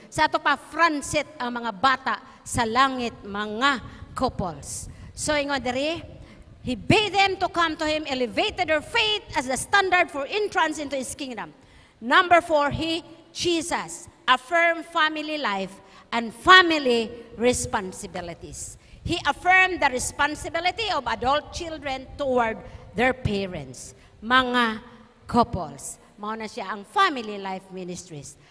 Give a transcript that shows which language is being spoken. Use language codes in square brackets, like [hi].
[ceb] Sa ato pa, front seat ang mga bata sa langit, mga couples. [en] So, [ceb] ingon diri, [en] He bade them to come to Him, elevated their faith as the standard for entrance into His kingdom. Number 4, Jesus affirmed family life and family responsibilities. He affirmed the responsibility of adult children toward their parents. [ceb] Mga couples. Mao na siya ang family life ministries.